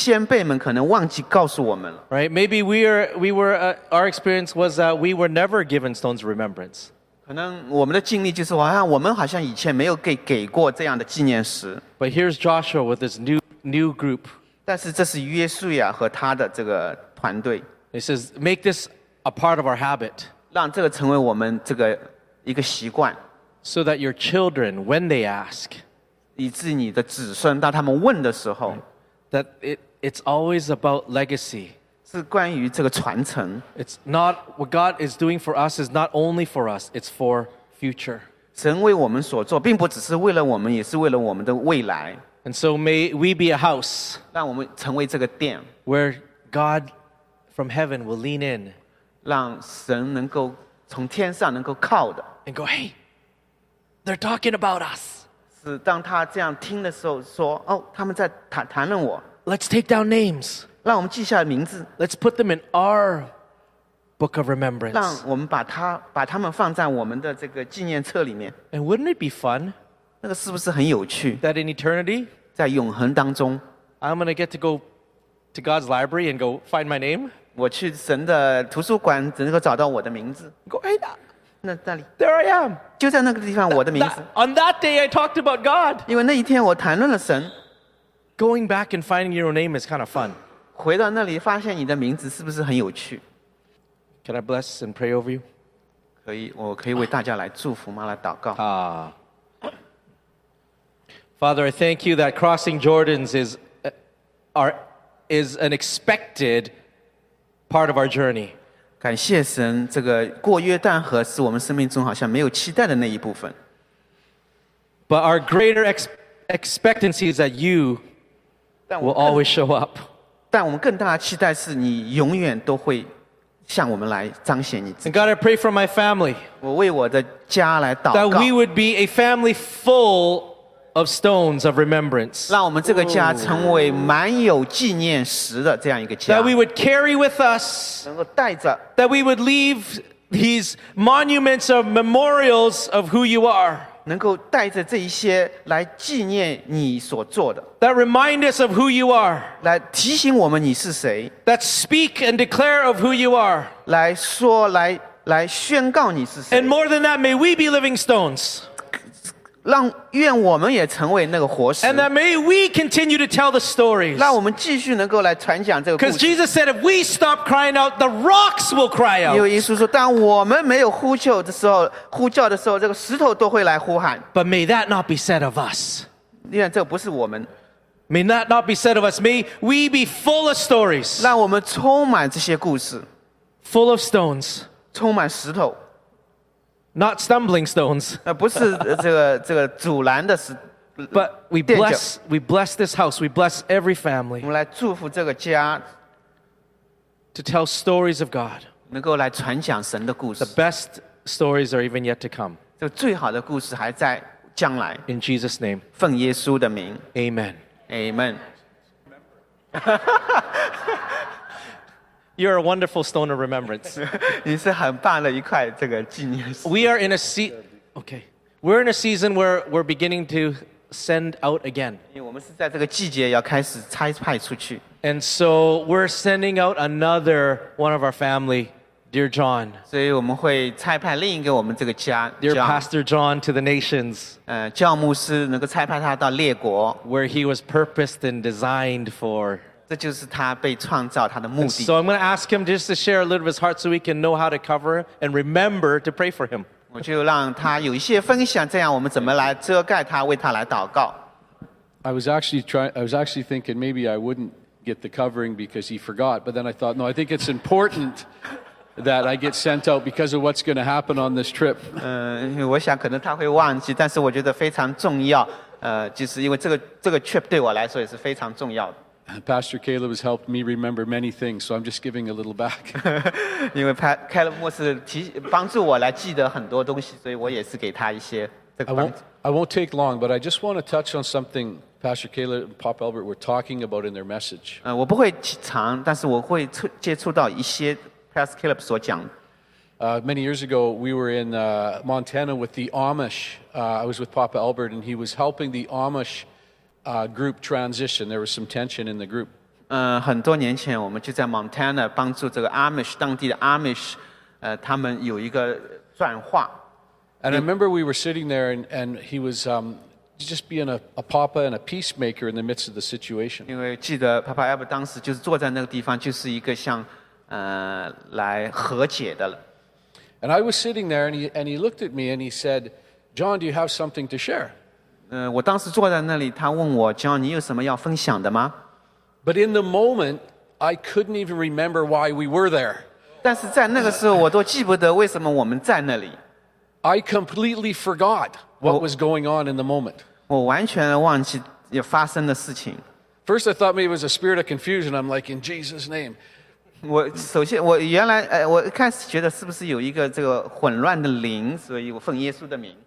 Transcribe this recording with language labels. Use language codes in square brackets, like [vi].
[zh] 可能我们是这个世代，我们的先辈们可能忘记告诉我们了。 [en] Right? Maybe our experience was that we were never given stones of remembrance. [zh] 可能我们的经历就是好像我们好像以前没有给过这样的纪念石。 [en] But here's Joshua with his new group. [zh] 但是这是约书亚和他的这个团队。 [en] He says, "Make this a part of our habit." [zh] 让这个成为我们这个一个习惯。 [en] So that your children, when they ask. [zh] 以致你的子孙当他们问的时候, [en] that it's always about legacy. [zh] 是关于这个传承。 [en] It's not what God is doing for us is not only for us, it's for future. [zh] 神为我们所做，并不只是为了我们，也是为了我们的未来。 [en] And so may we be a house, [zh] 让我们成为这个殿， [en] where God from heaven will lean in, [zh] 让神能够从天上能够靠的， [en] and go, hey, they're talking about us. [zh] 是当他这样听的时候说，哦，他们在谈论我。 [en] Let's take down names. [zh] 让我们记下名字。 [en] Let's put them in our book of remembrance. [zh] 让我们把他们放在我们的这个纪念册里面。 [en] And wouldn't it be fun? [zh] 那个是不是很有趣？ [en] That in eternity, [zh] 在永恒当中， [en] I'm going to get to go to God's library and go find my name. [zh] 我去神的图书馆，只能够找到我的名字。 [en] Go ahead. [zh] 那里 [en] There I am. [zh] 就在那个地方，我的名字。 [en] On that day, I talked about God. [zh] 因为那一天我谈论了神。 [en] Going back and finding your own name is kind of fun. [zh] 回到那里，发现你的名字是不是很有趣 [en] ？Can I bless and pray over you? [zh] 可以，我可以为大家来祝福吗？来祷告。 [en] Father, I thank you that crossing Jordan's is an expected part of our journey. [zh] 感谢神，这个过约旦河是我们生命中好像没有期待的那一部分。 [en] But our greater expectancy is that you will always show up. [zh] 但我们更大的期待是你永远都会向我们来彰显你自己。 [en] And God, I pray for my family. [zh] 我为我的家来祷告。 [en] That we would be a family full of stones of remembrance. [zh] 让我们这个家成为满有纪念石的这样一个家。 [en] That we would carry with us. [zh] 能够带着。 [en] That we would leave these monuments of memorials of who you are. [zh] 能够带着这一些来纪念你所做的。 [en] That remind us of who you are. [zh] 来提醒我们你是谁。 [en] That speak and declare of who you are. [zh] 来说来宣告你是谁。 [en] And more than that, may we be living stones. [zh] 让愿我们也成为那个活石。 [en] And that may we continue to tell the stories. [zh] 让我们继续能够来传讲这个故事。 [en] Because Jesus said, if we stop crying out, the rocks will cry out. [zh] 因为耶稣说，当我们没有呼叫的时候，这个石头都会来呼喊。 [en] But may that not be said of us. [zh] 因为这不是我们。 [en] May that not be said of us. May we be full of stories. [zh] 让我们充满这些故事。 [en] Full of stones. [zh] 充满石头。 [en] Not stumbling stones. [zh] 不是这个阻拦的是。 [en] But we bless this house. We bless every family. [zh] 我们来祝福这个家。 [en] To tell stories of God. [zh] 能够来传讲神的故事。 [en] The best stories are even yet to come. [zh] 这最好的故事还在将来。 [en] In Jesus' name. [zh] 奉耶稣的名。 [en] Amen. Amen. You're a wonderful stone of remembrance. [zh] 你是很棒的一块这个纪念石。 [en] We are in a okay. We're in a season where we're beginning to send out again. [zh] 因为我们是在这个季节要开始差派出去。 [en] And so we're sending out another one of our family, dear John. [zh] 所以我们会差派另一个我们这个家。 [en] Dear Pastor John to the nations. [zh] 教牧师能够差派他到列国。 [en] Where he was purposed and designed for. [zh] 这就是他被创造他的目的。 [en] So I'm going to ask him just to share a little of his heart so we can know how to cover and remember to pray for him. [zh] 我就让他有一些分享，这样我们怎么来遮盖他，为他来祷告。 [en] I was actually thinking maybe I wouldn't get the covering because he forgot, but then I thought, no, I think it's important that I get sent out because of what's going to happen on this trip. [zh] 我想可能他会忘记，但是我觉得非常重要。就是因为这个 trip 对我来说也是非常重要的。 [en] Pastor Caleb has helped me remember many things, so I'm just giving a little back. [zh] 因为 Caleb 牧师帮助我来记得很多东西，所以我也是给他一些这个帮助。 [en] I won't take long, but I just want to touch on something Pastor Caleb and Pop Albert were talking about in their message. [zh] 我不会长，但是我会接触到一些 Pastor Caleb 所讲。 [en] Many years ago, we were in Montana with the Amish. I was with Pop Albert, and he was helping the Amish. Group transition. There was some tension in the group. [zh] 很多年前我们就在 Montana 帮助这个 Amish 当地的 Amish， 他们有一个转化。 [en] And I remember we were sitting there, and he was just being a papa and a peacemaker in the midst of the situation. [zh] 因为记得 Papa Albert 当时就是坐在那个地方，就是一个像来和解的了。 [en] And I was sitting there, and he looked at me, and he said, "John, do you have something to share?" [zh] 我当时坐在那里，他问我 ：“John， 你有什么要分享的吗 [en] ？”But in the moment, I couldn't even remember why we were there. [zh] 但是在那个时候，我都记不得为什么我们在那里。 [en] I completely forgot what was going on in the moment. [zh] 我完全忘记发生的事情。 [en] First, I thought maybe it was a spirit of confusion. I'm like, in Jesus' name. [zh] 我首先，我原来，我开始觉得是不是有一个这个混乱的灵，所以我奉耶稣的名。